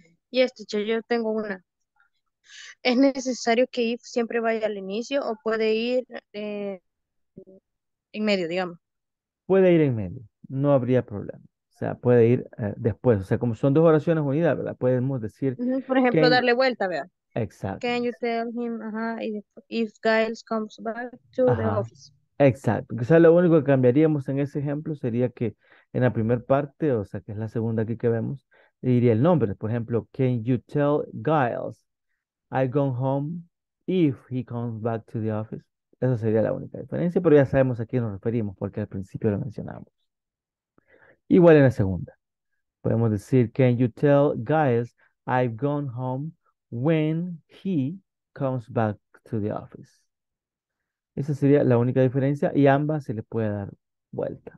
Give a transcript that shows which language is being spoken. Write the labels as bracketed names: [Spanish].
[English] Yes, teacher, [Spanish] yo tengo una. ¿Es necesario que if siempre vaya al inicio o puede ir en medio, digamos? Puede ir en medio, no habría problema. O sea, puede ir después. O sea, como son dos oraciones unidas, ¿verdad? Podemos decir... Por ejemplo, can... darle vuelta, ¿verdad? Exacto. [English] Can you tell him if Giles comes back to the office? [Spanish] Exacto. Quizás lo único que cambiaríamos en ese ejemplo sería que en la primera parte, o sea, que es la segunda aquí que vemos, diría el nombre. Por ejemplo, [English] can you tell Giles I've gone home if he comes back to the office? [Spanish] Esa sería la única diferencia, pero ya sabemos a quién nos referimos porque al principio lo mencionamos. Igual en la segunda. Podemos decir, [English] can you tell Giles I've gone home when he comes back to the office? [Spanish] Esa sería la única diferencia y ambas se le puede dar vuelta.